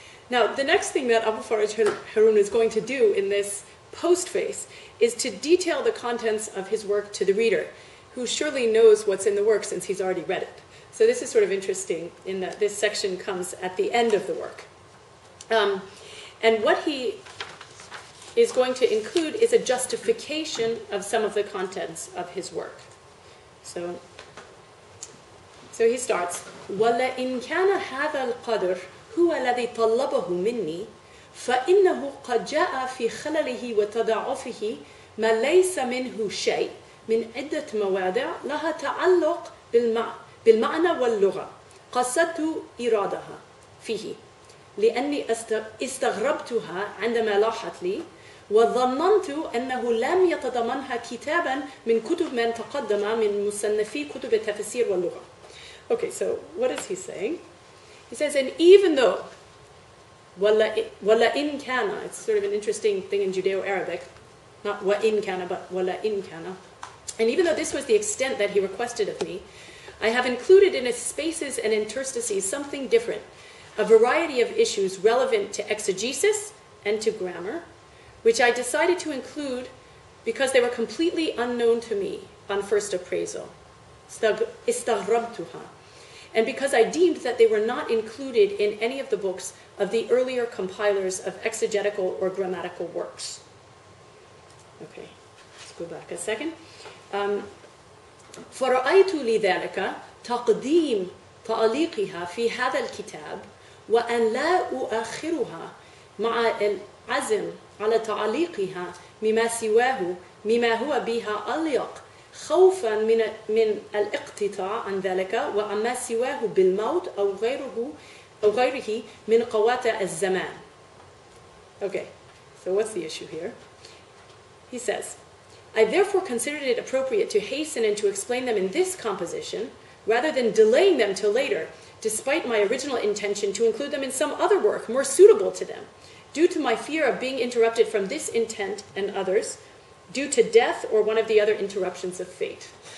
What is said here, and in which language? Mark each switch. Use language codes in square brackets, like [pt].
[en] Now, the next thing that Abu Faraj Harun is going to do in this postface is to detail the contents of his work to the reader, who surely knows what's in the work since he's already read it. So this is sort of interesting in that this section comes at the end of the work. And what he is going to include is a justification of some of the contents of his work. So he starts, [ar] وَلَئِنْ كَانَ هَذَا الْقَدْرِ هُوَ الَّذِي طَلَّبَهُ مِنِّي فَإِنَّهُ قَدْ جَاءَ فِي خَلَلِهِ وَتَضَعُفِهِ مَا لَيْسَ مِنْهُ شَيْءٍ مِنْ عِدَّةِ مَوَادِعَ لَهَا تَعَلُّقْ بِالْمَعْنَى وَاللُّغَةِ قَصَدْتُ إِرَادَهَا فِيهِ لأني استغربتها عندما لاحت لي وظننت أنه لم يتضمنها كتابا من كتب من تقدم من مصنفي كتب التفسير واللغة. [en] Okay, so what is he saying? He says, and even though, wala in kana, it's sort of an interesting thing in Judeo-Arabic, not wa in kana, but wala in kana. And even though this was the extent that he requested of me, I have included in its spaces and interstices something different, a variety of issues relevant to exegesis and to grammar, which I decided to include because they were completely unknown to me on first appraisal. [ar] استغربتها. [en] And because I deemed that they were not included in any of the books of the earlier compilers of exegetical or grammatical works. Okay, let's go back a second. [ar] فرأيت لذلك تقديم تعليقها في هذا الكتاب وأن لا أؤخرها مع العزم على تعليقها مما سواه مما هو بها أليق خوفا من الاقتطاع عن ذلك وعما سواه بالموت أو غيره من قواطع الزمان. [en] Okay, so what's the issue here? He says, I therefore considered it appropriate to hasten and to explain them in this composition rather than delaying them till later, despite my original intention to include them in some other work more suitable to them, due to my fear of being interrupted from this intent and others, due to death or one of the other interruptions of fate.